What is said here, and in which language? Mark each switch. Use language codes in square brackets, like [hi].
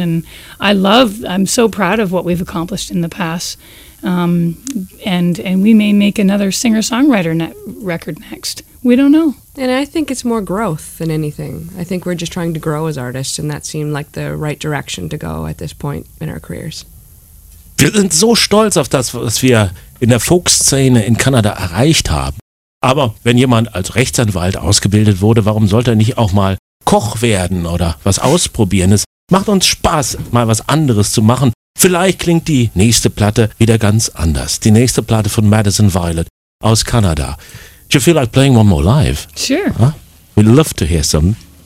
[en] And I'm so proud of what we've accomplished in the past. And we may make another singer-songwriter record next. We don't know. And I think it's more growth than anything. I think we're just trying to grow as artists, and that seemed like the right direction to go at this point in our careers. [de] Wir sind so stolz auf das, was wir in der Folkszene in Kanada erreicht haben. Aber wenn jemand als Rechtsanwalt ausgebildet wurde, warum sollte er nicht auch mal Koch werden oder was ausprobieren? Es macht uns Spaß, mal was anderes zu machen. Vielleicht klingt die nächste Platte wieder ganz anders. Die nächste Platte von Madison Violet aus Kanada. [en] Do you feel like playing one more live? Sure. Huh? We'd love to hear some.